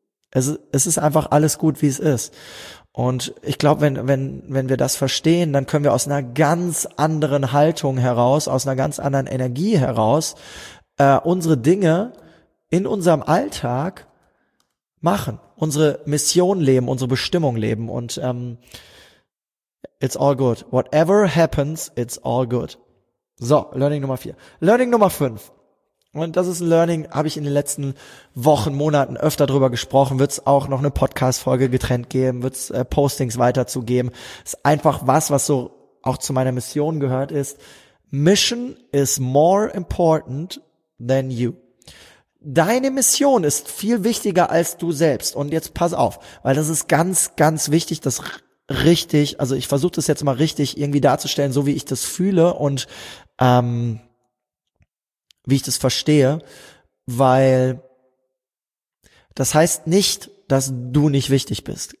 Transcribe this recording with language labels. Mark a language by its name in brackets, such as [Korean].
[German] Es ist einfach alles gut, wie es ist. Und ich glaube, wenn wir das verstehen, dann können wir aus einer ganz anderen Haltung heraus, aus einer ganz anderen Energie heraus, unsere Dinge in unserem Alltag machen, unsere Mission leben, unsere Bestimmung leben. [English] Und it's all good. Whatever happens, it's all good. [German] So, Learning Nummer 4. Learning Nummer 5. Und das ist ein Learning, habe ich in den letzten Wochen, Monaten öfter drüber gesprochen, wird es auch noch eine Podcast-Folge getrennt geben, wird es Postings weiterzugeben. Ist einfach was so auch zu meiner Mission gehört ist. [English] Mission is more important than you. [German] Deine Mission ist viel wichtiger als du selbst. Und jetzt pass auf, weil das ist ganz, ganz wichtig, das richtig, also ich versuche das jetzt mal richtig irgendwie darzustellen, so wie ich das fühle und wie ich das verstehe, weil das heißt nicht, dass du nicht wichtig bist.